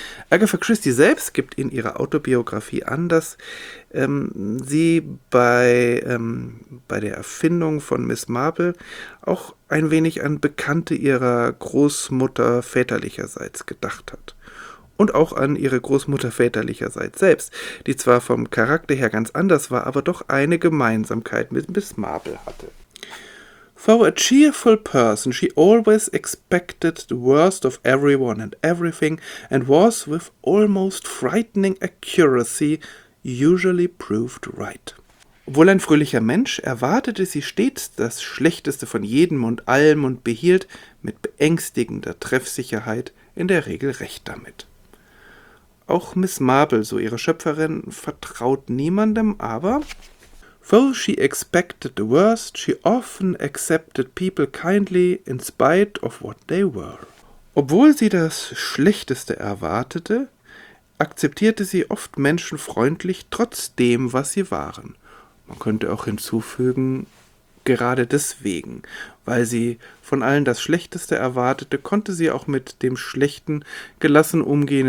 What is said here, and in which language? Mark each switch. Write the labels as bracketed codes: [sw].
[de] Agatha Christie selbst gibt in ihrer Autobiografie an, dass sie bei der Erfindung von Miss Marple auch ein wenig an Bekannte ihrer Großmutter väterlicherseits gedacht hat. Und auch an ihre Großmutter väterlicherseits selbst, die zwar vom Charakter her ganz anders war, aber doch eine Gemeinsamkeit mit Miss Marple hatte. [en] For a cheerful person, she always expected the worst of everyone and everything, and was, with almost frightening accuracy, usually proved right. [de] Obwohl ein fröhlicher Mensch, erwartete sie stets das Schlechteste von jedem und allem und behielt mit beängstigender Treffsicherheit in der Regel recht damit. Auch Miss Marple, so ihre Schöpferin, vertraut niemandem, aber... [en] Though she expected the worst, she often accepted people kindly in spite of what they were. [de] Obwohl sie das Schlechteste erwartete, akzeptierte sie oft Menschen freundlich, trotz dem, was sie waren. Man könnte auch hinzufügen, gerade deswegen, weil sie von allen das Schlechteste erwartete, konnte sie auch mit dem Schlechten gelassen umgehen.